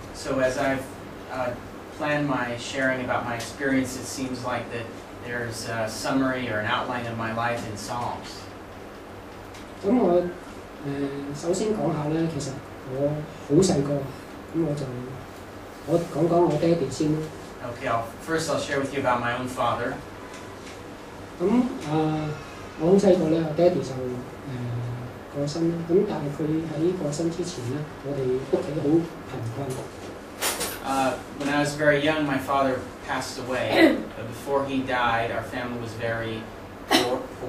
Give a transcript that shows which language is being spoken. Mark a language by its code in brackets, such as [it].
[en] So as I've planned my sharing about my experience, it seems like that there's a summary or an outline of my life in Psalms. [yue] 咁我首先講下咧，其實我好細個，咁我講講我爹哋先啦。 [en] Okay, I'll share with you about my own father. [yue] 咁我好細個咧，爹哋就過身啦。咁但係佢喺過身之前咧，我哋屋企好貧困。 [en] When I was very young, my father passed away. But before he died, our family was very poor.